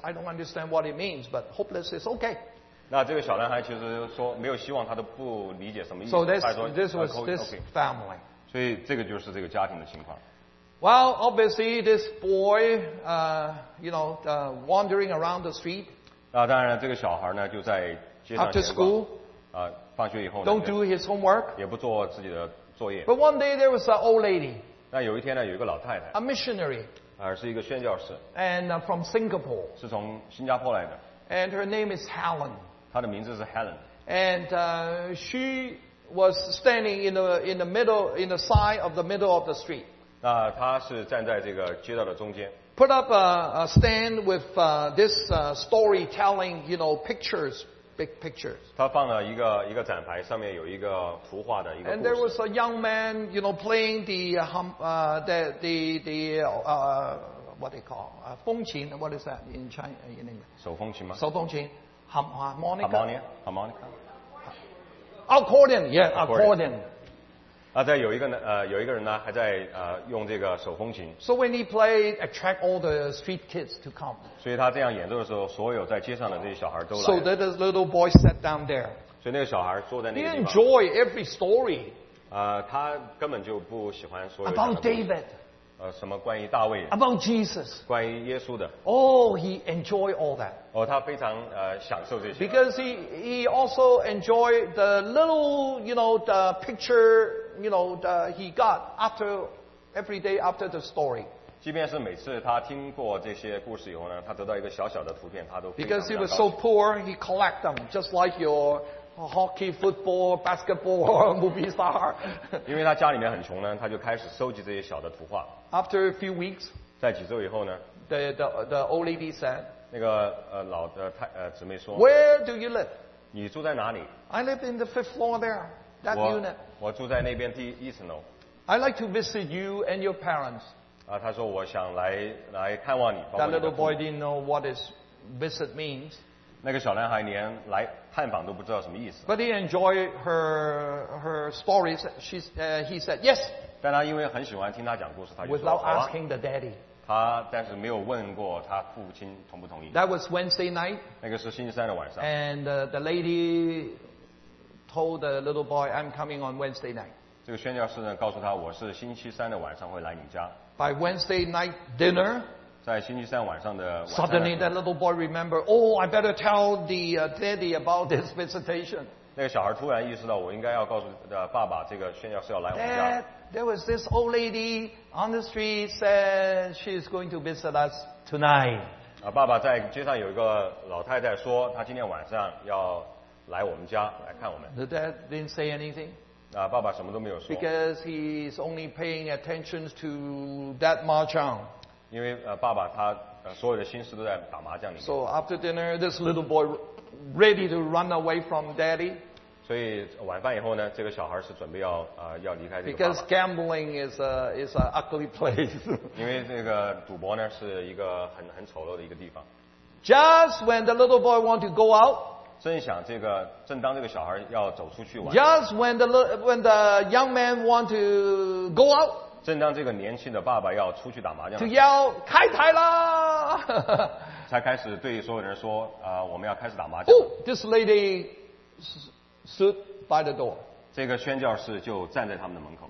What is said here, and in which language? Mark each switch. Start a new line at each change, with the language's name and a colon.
English: I don't understand what it means, but hopeless is okay."
Chinese: 那这个小男孩其实说没有希望，他都不理解什么意思。
English: So this was this family.
Chinese: 所以这个就是这个家庭的情况。
English: Well, obviously, this boy, wandering around the street.
Chinese: 那当然，这个小孩呢就在街上闲逛。放学以后呢
English: ，don't do his homework，
Chinese: 也不做自己的作业。
English: But one day there was an old lady。
Chinese: 那有一天呢，有一个老太太
English: ，a missionary，
Chinese: 是一个宣教士
English: ，and from Singapore，
Chinese: 是从新加坡来的。
English: And her name is Helen。
Chinese: 她的名字是 Helen。
English: And she was standing in the middle of the street。
Chinese: 那她是站在这个街道的中间。
English: Put up a stand with this storytelling, you know, pictures。 Big pictures.
Chinese: 他放了一个展牌，上面有一个图画的一个故事。
English: And there was a young man, you know, playing the 风琴 ，what is that in China in English?
Chinese: 手风琴吗？手风琴
English: ，harmonica. Accordion, yeah, accordion.
Chinese: 啊，在有一个人呢，还在用这个手风琴。
English: So when he played, attract all the street kids to come.
Chinese: 所以他这样演奏的时候，所有在街上的这些小孩都来。
English: So that little boy sat down there.
Chinese: 所以那个小孩坐在那里。
English: He enjoyed every story.
Chinese: 他根本就不喜欢所有。
English: About David.
Chinese: 什么关于大卫
English: ？About Jesus.
Chinese: 关于耶稣的。
English: Oh, he enjoyed all that.
Chinese: 他非常享受这些。
English: Because he also enjoyed the little, you know, the picture. You know, he got after every day after the story.
Chinese: 即便是每次他听过这些故事以后呢，他得到一个小小的图片，他都非常高兴。
English: Because he was so poor, he collect them just like your hockey, football, basketball, movie star.
Chinese: 因为他家里面很穷呢，他就开始收集这些小的图画。
English: After a few weeks,
Chinese: 在几周以后呢
English: ，the old lady said,
Chinese: 那个老的太姊妹说
English: ，Where do you live?
Chinese: 你住在哪里
English: ？I live in the fifth floor there.
Chinese: 我住在那边第一层楼。
English: I'd like to visit you and your parents.
Chinese: 他说我想来看望你。
English: That little boy didn't know what his visit means.
Chinese: 那个小男孩连来探访都不知道什么意思。
English: But he enjoyed her stories. He said yes.
Chinese: 但他因为很喜欢听他讲故事，他就说
English: Without asking the daddy.
Chinese: 他但是没有问过他父亲同不同意。
English: That was Wednesday night.
Chinese: 那个是星期三的晚上。
English: And the lady. Told the little boy, "I'm coming on Wednesday night."
Chinese: 这个宣教士呢，告诉他，我是星期三的晚上会来你家。
English: By Wednesday night dinner,
Chinese: 在星期三晚上的晚餐。
English: Suddenly, that little boy remembered, "Oh, I better tell the daddy about this visitation."
Chinese: 那个小孩突然意识到，我应该要告诉爸爸，这个宣教士要来我们家。
English: There was this old lady on the street said she is going to visit us tonight.
Chinese: 爸爸在街上有一个老太太说，她今天晚上要。来我们家来看我们。
English: The dad didn't say anything.
Chinese: 爸爸什么都没有说。
English: Because he's only paying attention to that mahjong.
Chinese: 因为爸爸他所有的心思都在打麻将里面。
English: So after dinner, this little boy ready to run away from daddy.
Chinese: 所以晚饭以后呢，这个小孩是准备要离开这个爸爸。
English: Because gambling is a ugly place.
Chinese: 因为这个赌博呢是一个很丑陋的一个地方。
English: Just when the little boy want to go out.
Chinese: 正当这个小孩要走出去玩。
English: Just when the young man want to go out.
Chinese: 正当这个年轻的爸爸要出去打麻将。
English: To yell,
Chinese: 开台啦！才开始对所有人说，我们要开始打麻将。
English: Oh, this lady stood by the door.
Chinese: 这个宣教士就站在他们的门口。